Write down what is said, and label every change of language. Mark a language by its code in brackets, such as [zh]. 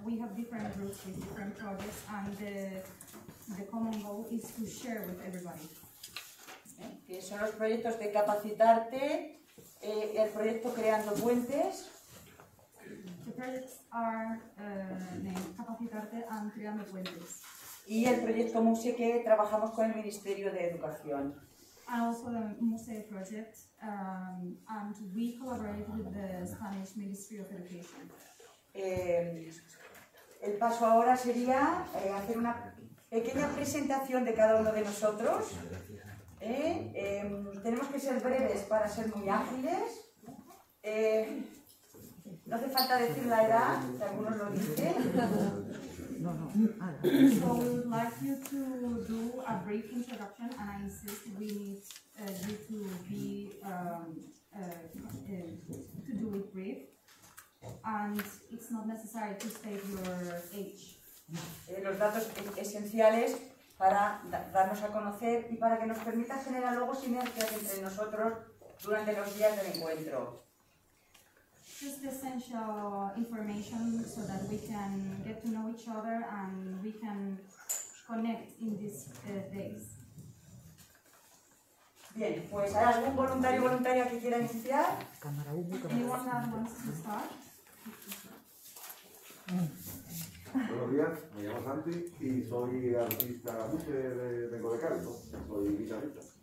[en] We have different groups with different projects, and the common goal is to share with everybody. [es] Que son los proyectos de capacitarte, el proyecto Creando Puentes. [en] The projects are named Capacitarte and Creando Puentes. [es] Y el proyecto MUSE que trabajamos con el Ministerio de Educación. [en] And also the MUSE project, and we collaborate with the Spanish Ministry of Education. [es] El paso ahora sería hacer una pequeña presentación de cada uno de nosotros. Tenemos que ser breves para ser muy ágiles. No hace falta decir la edad, que algunos lo dicen. [en] So we would like you to do a brief introduction, and I insist we need you to be to do it brief, and it's not necessary to state your age. [es] Los datos esenciales para darnos a conocer y para que nos permita generar luego sinergias entre nosotros durante los días del encuentro. [en] Just the essential information so that we can get to know each other and we can connect in these days. [es] Bien, pues ¿hay algún voluntario o voluntaria que quiera iniciar? Cámara 1, [en] anyone that wants to start? [es] Buenos días, me llamo Santi y soy artista MUSE de Vengo de Caldo, soy guitarrista.